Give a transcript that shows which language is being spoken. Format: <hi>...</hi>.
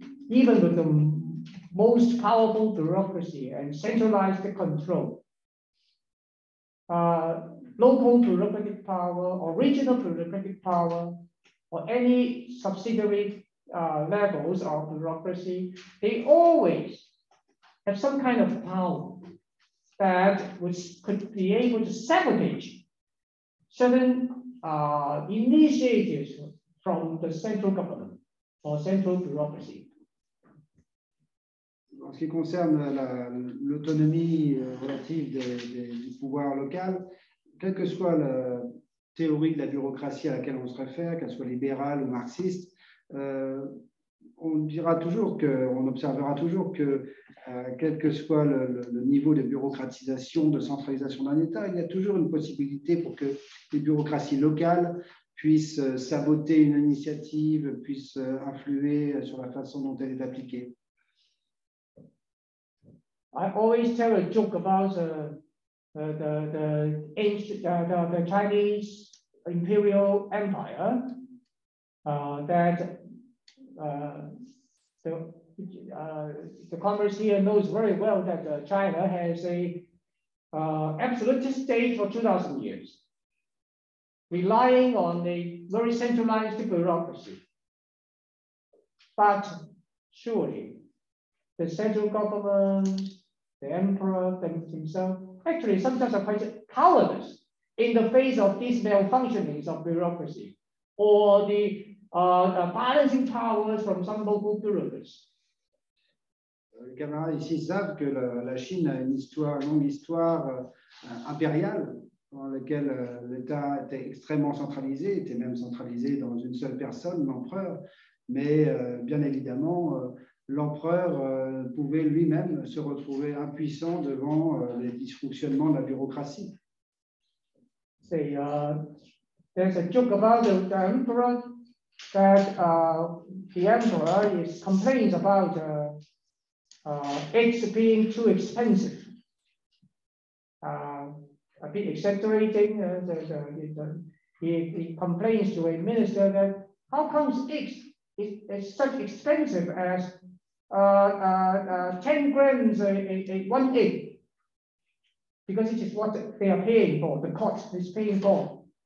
<en>even with the most powerful bureaucracy and centralized control, local bureaucratic power or regional bureaucratic power or any subsidiary levels of bureaucracy, they always have some kind of power that which could be able to sabotage certain initiatives from the central government or central bureaucracy.</en> <fr>En ce qui concerne l'autonomie relative du pouvoir local, quelle que soit la théorie de la bureaucratie à laquelle on se réfère, qu'elle soit libérale ou marxiste, on dira toujours que, on observera toujours que, quel que soit le niveau de bureaucratisation, de centralisation d'un État, il y a toujours une possibilité pour que les bureaucraties locales puissent saboter une initiative, puissent influer sur la façon dont elle est appliquée.</fr> <en>I always tell a joke about the Chinese Imperial Empire the commerce here knows very well that China has a absolutist state for 2,000 years, relying on a very centralized bureaucracy. But surely, the central government, the emperor himself, actually sometimes are quite powerless in the face of these malfunctionings of bureaucracy or the balancing powers from some local bureaucrats.</en> <fr>Les camarades ici savent que la Chine a une longue histoire impériale dans laquelle l'État était extrêmement centralisé, était même centralisé dans une seule personne, l'empereur, mais bien évidemment, l'empereur pouvait lui-même se retrouver impuissant devant les dysfonctionnements de la bureaucratie.</fr> <en>Say, there's a joke about the emperor that the emperor is complains about eggs being too expensive. A bit exaggerating, he complains to a minister that how comes eggs is such expensive as 10 grams in one egg, because it is what they are paying for, the cost is paying for.</en>